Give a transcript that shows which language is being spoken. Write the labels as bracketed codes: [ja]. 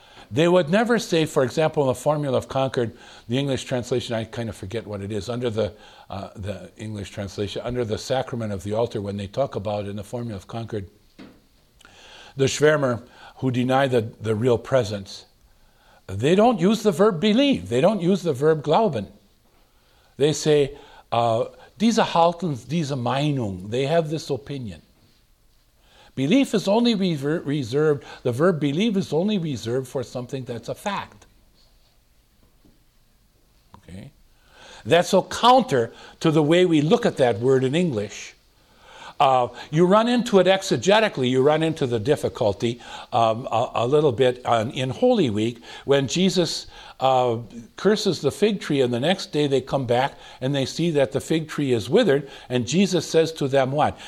[en] They would never say, for example, in the Formula of Concord, the English translation, I kind of forget what it is, under the English translation, under the sacrament of the altar, when they talk about in the Formula of Concord, the Schwärmer, who deny the real presence, they don't use the verb believe. They don't use the verb glauben. [de] They say, diese halten diese Meinung. [en] They have this opinion. Belief is only reserved, the verb believe is only reserved for something that's a fact. Okay? That's so counter to the way we look at that word in English. You run into it exegetically. You run into the difficulty a little bit in Holy Week when Jesus curses the fig tree, and the next day they come back and they see that the fig tree is withered, and Jesus says to them what?